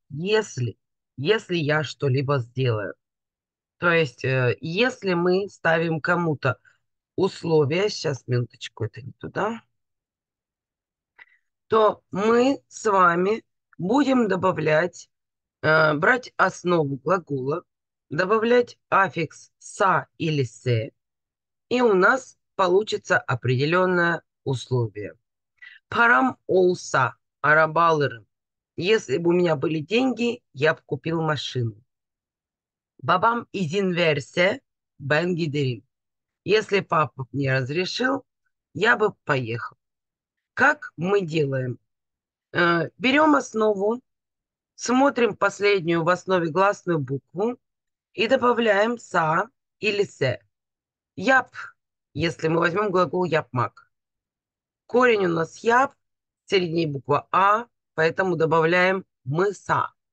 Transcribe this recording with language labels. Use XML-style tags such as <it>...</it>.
<ru>Если я что-либо сделаю. То есть, если мы ставим кому-то условия, сейчас, минуточку, это не туда, то мы с вами будем добавлять, брать основу глагола, добавлять аффикс «са» или «се», и у нас получится определенное условие.</ru> <tr>Param olsa, araba alırım.</tr> <ru>Если бы у меня были деньги, я бы купил машину.</ru> <tr>Babam izin verse, ben giderim.</tr> <ru>Если папа мне разрешил, я бы поехал. Как мы делаем? Берем основу, смотрим последнюю в основе гласную букву и добавляем са или се. Яп, если мы возьмем глагол япмак. Корень у нас яп, средняя буква а, поэтому добавляем мы са.</ru>